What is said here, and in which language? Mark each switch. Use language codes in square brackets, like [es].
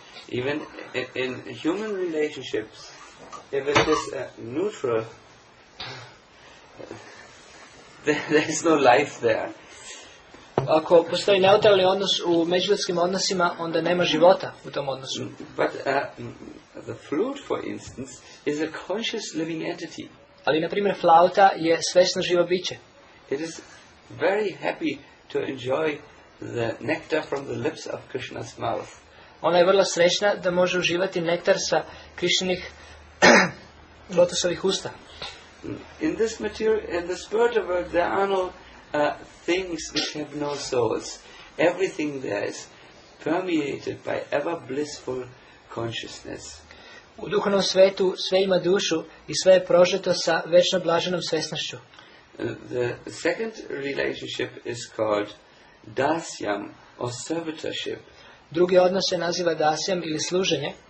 [en] Even in human relationships, if it is neutral, there is no life there. [sr] Ako postoji neutralni odnos u međuljudskim odnosima, onda nema života u tom odnosu. [en] But the flute, for instance, is a conscious living entity. [sr] Ali na primjer flauta je svjesno živo biće. [en] It is very happy to enjoy the nectar from the lips of Krishna's mouth. [sr] Ona je vrlo sretna da može uživati nektar sa Krišnih lotusovih usta. [en] In this material, in the spiritual world, there are no things which have no souls. Everything there is permeated by ever blissful consciousness. [sr] U duhovnom svetu sve ima dušu i sve je prožeto sa večno blaženom svesnošću. [en] The second relationship is called dasyam, or servitorship. [sr] Drugi odnos se naziva dasyam ili služenje.